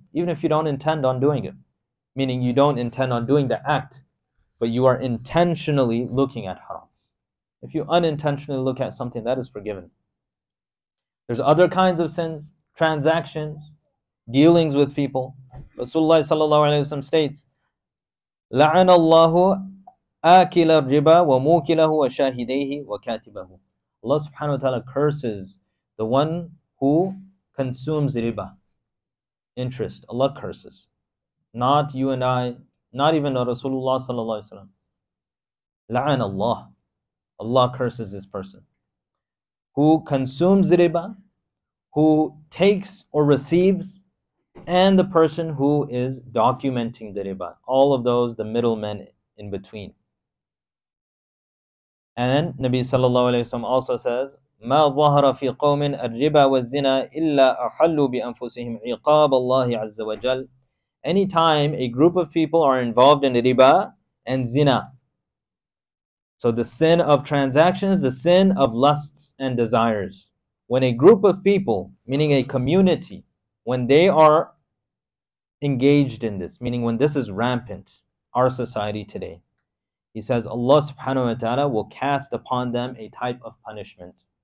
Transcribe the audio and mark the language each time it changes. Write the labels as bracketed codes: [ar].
[en] Even if you don't intend on doing it. Meaning you don't intend on doing the act, but you are intentionally looking at haram. If you unintentionally look at something, that is forgiven. There's other kinds of sins, transactions, dealings with people. Rasulullah sallallahu alayhi wa sallam states, [ar] لَعَنَ اللَّهُ آكِلَ الرِّبَى وَمُوكِلَهُ وَشَاهِدَيْهِ وَكَاتِبَهُ. [en] Allah subhanahu wa ta'ala curses the one who consumes riba, interest. Allah curses. Not you and I, not even Rasulullah sallallahu alayhi wa sallam. La'an Allah. Allah curses this person. Who consumes riba, who takes or receives, and the person who is documenting the riba. All of those, the middlemen in between. And Nabi sallallahu alayhi wa sallam also says, [ar] مَا ظَهَرَ فِي قَوْمٍ الرِّبَى وَالزِّنَى إِلَّا أَحَلُّوا بِأَنفُسِهِمْ عِقَابَ اللَّهِ عَزَّ وَجَلَّ. [en] Anytime a group of people are involved in riba and zina. So the sin of transactions, the sin of lusts and desires. When a group of people, meaning a community, when they are engaged in this, meaning when this is rampant, our society today, he says Allah subhanahu wa ta'ala will cast upon them a type of punishment.